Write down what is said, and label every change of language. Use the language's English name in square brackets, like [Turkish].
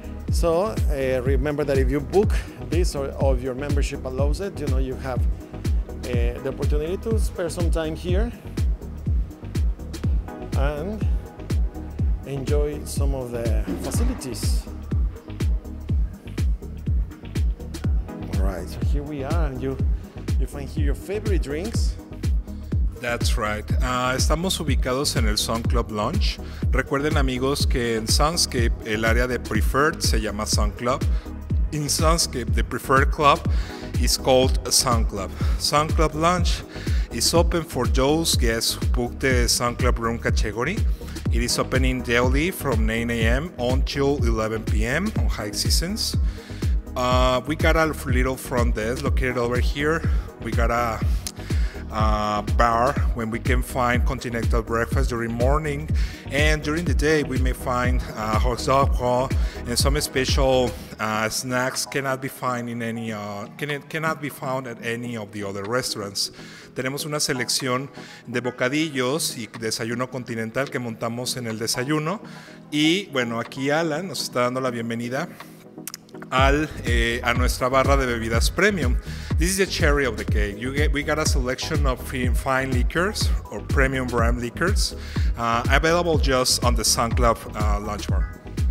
[English] So remember that if you book this or your membership allows it, you know, you have the opportunity to spare some time here and enjoy some of the facilities. All right, so here we are, and you find here your favorite drinks. That's right. [Spanish] Estamos ubicados en el Sun Club Lounge. Recuerden, amigos, que en Sunscape el área de preferred se llama Sun Club. [English] In Sunscape, the preferred club is called Sun Club. Sun Club Lounge is open for those guests who book the Sun Club room category. It is opening daily from 9 a.m. until 11 p.m. on high seasons. We got a little front desk located over here. We got a bar when we can find continental breakfast during morning. And during the day, we may find hot dog and some special snacks cannot be found at any of the other restaurants. [Spanish] Tenemos una selección de bocadillos y desayuno continental que montamos en el desayuno. Y bueno, aquí Alan nos está dando la bienvenida a nuestra barra de bebidas premium. [English] This is the cherry of the cake. We got a selection of fine liquors or premium brand liquors available just on the Sun Club lunch bar.